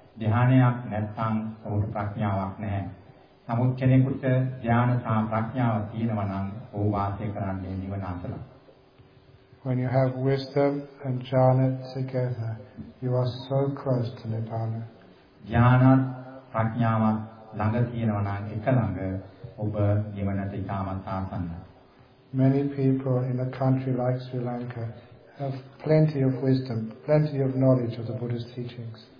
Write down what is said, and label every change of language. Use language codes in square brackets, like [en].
[si] ධ්‍යානයක් නැත්නම් ඔහුට ප්‍රඥාවක් නැහැ. නමුත් කෙනෙකුට ඥාන සහ ප්‍රඥාව තියෙනවා නම් ඔහු වාසය කරන්නේ නිවන අතර. [en] When you have wisdom and jhana together, you are so close to Nibbana. [si] ඥාන ප්‍රඥාව ළඟ තියෙනවා නම් එක ළඟ ඔබ නිවනට ඉතාමත් ආසන්නයි. [en] Many people in a country like Sri Lanka have plenty of wisdom, plenty of knowledge of the Buddha's teachings.